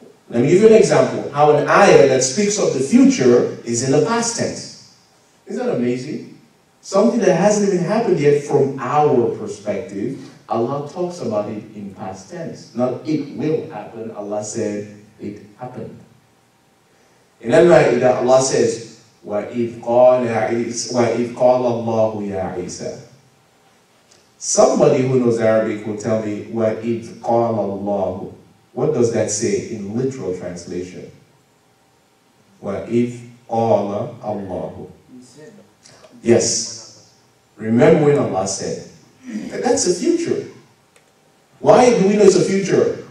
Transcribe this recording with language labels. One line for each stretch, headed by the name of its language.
English: Let me give you an example. How an ayah that speaks of the future is in the past tense. Isn't that amazing? Something that hasn't even happened yet from our perspective, Allah talks about it in past tense. Not it will happen, Allah said it happened. In Al-Ma'idah, Allah says,
Arabic: وَإِذْ قَالَ اللَّهُ يَا عِيسَى.
English: Somebody who knows Arabic will tell me,
Arabic: وَإِذْ قَالَ اللَّهُ.
English: What does that say in literal translation?
Arabic: وَإِذْ قَالَ اللَّهُ. Yes.
English: Remember when Allah said. That's the future. Why do we know it's a future?